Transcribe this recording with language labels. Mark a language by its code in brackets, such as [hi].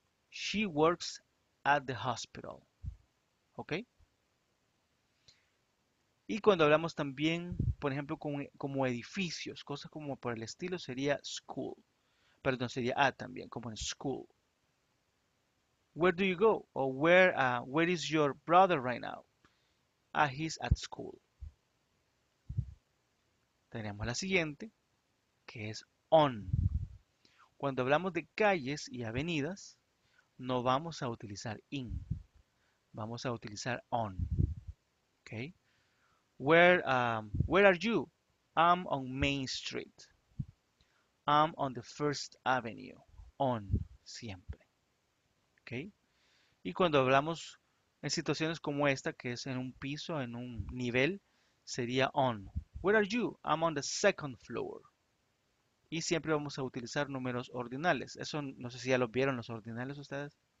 [en] She works at the hospital. ¿Ok? [es] Y cuando hablamos también, por ejemplo, como edificios, cosas como por el estilo, sería school. Perdón, sería a también, como en school. [en] Where do you go? O where is your brother right now? He's at school. [es] Tenemos la siguiente, que es on. Cuando hablamos de calles y avenidas, no vamos a utilizar in. Vamos a utilizar on. ¿Ok? [en] Where are you? I'm on Main Street. I'm on the First Avenue. On, [es] siempre. ¿Ok? Y cuando hablamos en situaciones como esta, que es en un piso, en un nivel, sería on. [en] Where are you? I'm on the second floor. [es] Y siempre vamos a utilizar números ordinales. Eso no sé si ya lo vieron los ordinales ustedes.